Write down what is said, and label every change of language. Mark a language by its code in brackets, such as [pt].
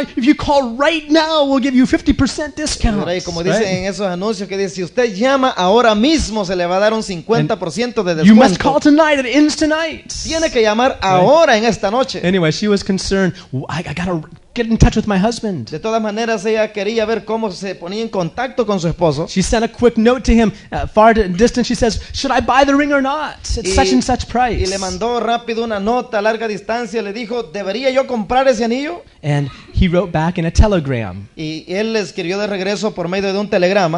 [en] If you call right now, we'll give you 50% discount. [es] Pero como dicen en esos anuncios que dice, si usted llama ahora mismo se le va a dar un 50% de descuento. [en] You must call tonight. It ends tonight. [es] Tiene que llamar ahora en esta noche. [en] Anyway, she was concerned. I gotta get in touch with my husband. [es] De todas maneras, ella quería ver cómo se ponía en contacto con su esposo. [en] She sent a quick note to him, far distant. She says, "Should I buy the ring or not? It's such and such price." [es] Y le mandó rápido una nota a larga distancia. Le dijo, "¿Debería yo comprar ese anillo?" [en] And he wrote back in a telegram. [es] Y él le escribió de regreso por medio de un telegrama.